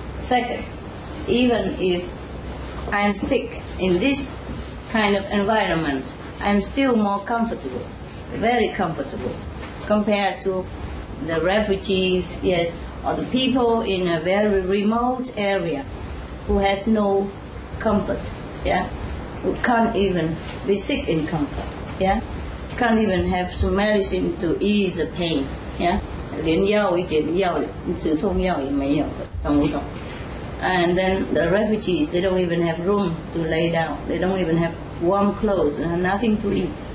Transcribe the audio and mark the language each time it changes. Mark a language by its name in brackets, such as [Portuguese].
[English] Second, even if I'm sick in this kind of environment, I'm still more comfortable, very comfortable, compared to the refugees, yes, or the people in a very remote area who has no comfort, yeah, who can't even be sick in comfort, yeah, can't even have some medicine to ease the pain, yeah. [Chinese] 连药一点药止痛药也没有的，懂不懂？ [English] And then the refugees, they don't even have room to lay down. They don't even have warm clothes and have nothing to eat.